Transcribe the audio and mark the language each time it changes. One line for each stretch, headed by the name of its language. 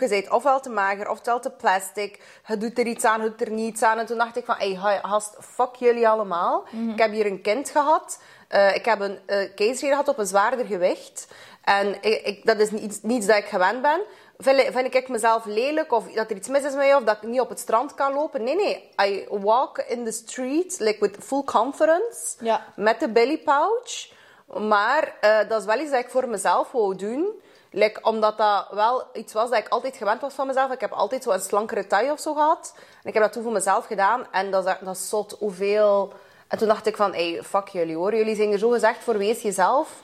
Dutch: Je bent ofwel te mager, ofwel te plastic. Het doet er iets aan, het doet er niets aan. En toen dacht ik van, hey, gast, fuck jullie allemaal. Mm-hmm. Ik heb hier een kind gehad. Ik heb een keizersnede gehad op een zwaarder gewicht. En ik, dat is niets dat ik gewend ben. Vind ik mezelf lelijk of dat er iets mis is met je of dat ik niet op het strand kan lopen? Nee.
English: I walk in the street like with full confidence.
Dutch: Ja. Met de belly pouch. Maar dat is wel iets dat ik voor mezelf wou doen. Like, omdat dat wel iets was dat ik altijd gewend was van mezelf. Ik heb altijd zo'n slankere taille of zo gehad. En ik heb dat toen voor mezelf gedaan. En dat is zot hoeveel... En toen dacht ik van, hey, fuck jullie hoor. Jullie zijn er zo gezegd voor wees jezelf.